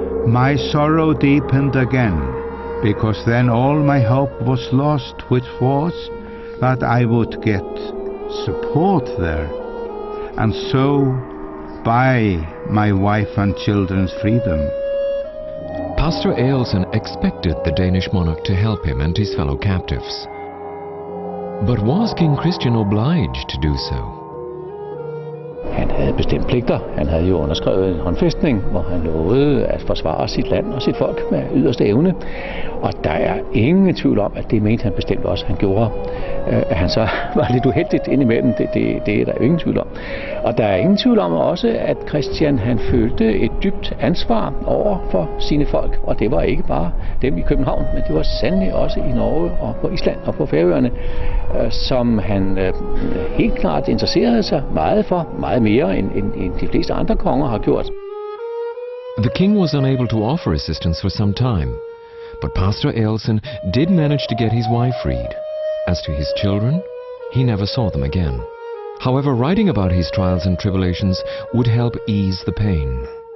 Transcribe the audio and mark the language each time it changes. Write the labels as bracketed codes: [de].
[en] My sorrow deepened again, because then all my hope was lost, which was that I would get support there, and so buy my wife and children's freedom. Pastor Aelson expected the Danish monarch to help him and his fellow captives. But was King Christian obliged to do so? [da] Han havde bestemt pligter. Han havde jo underskrevet en håndfæstning, hvor han lovede at forsvare sit land og sit folk med yderste evne. Og der er ingen tvivl om, at det mente han bestemt også, han gjorde. At han så var lidt uheldigt indimellem, det er der ingen tvivl om. Og der er ingen tvivl om også, at Christian han følte et dybt ansvar over for sine folk. Og det var ikke bare dem i København, men det var sandelig også i Norge og på Island og på Færøerne, som han helt klart interesserede sig meget for, meget mere end de fleste andre konger har gjort. [en] The king was unable to offer assistance for some time, but Pastor Aelson did manage to get his wife freed. As to his children, he never saw them again. However, writing about his trials and tribulations would help ease the pain.